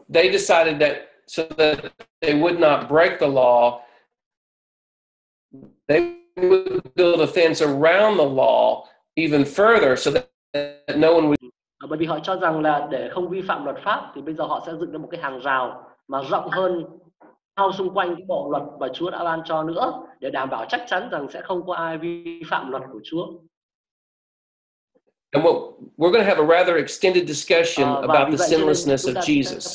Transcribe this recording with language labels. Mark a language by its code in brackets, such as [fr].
[en] They decided that so that they would not break the law, they would build a fence around the law even further so that no one would. [vi] Bởi vì họ cho rằng là để không vi phạm luật pháp thì bây giờ họ sẽ dựng ra một cái hàng rào mà rộng hơn bao xung quanh cái bộ luật mà Chúa đã ban cho nữa để đảm bảo chắc chắn rằng sẽ không có ai vi phạm luật của Chúa. [en] And well, we're going to have a rather extended discussion about the sinlessness of Jesus.